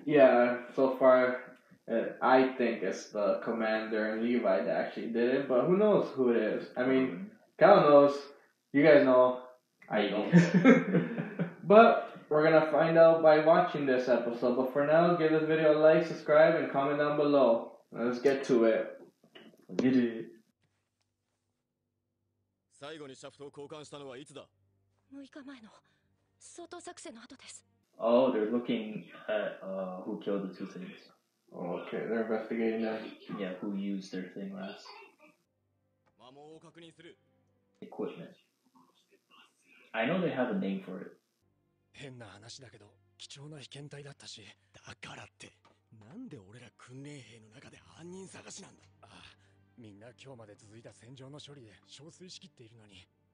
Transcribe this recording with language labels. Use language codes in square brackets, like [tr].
[en] Yeah, so far, I think it's the commander and Levi that actually did it, but who knows who it is? I mean, Kyle knows. You guys know. I don't. But we're gonna find out by watching this episode. But for now, give this video a like, subscribe, and comment down below. Let's get to it. Get it. [ja] 最後にシャフトを交換したのはいつだ ?6 日前の掃討作戦の後です。 [en] Oh, they're looking at who killed the two things. Okay, they're investigating that. Yeah, who used their thing last. [ja] 魔物を確認する。 [en] Equipment. I know they have a name for it. [ja] 変な話だけど、貴重な被験体だったし。だからって、なんで俺ら訓練兵の中で犯人探しなんだ。ああ。みんな今日まで続いた戦場の処理で憔悴しきっているのに。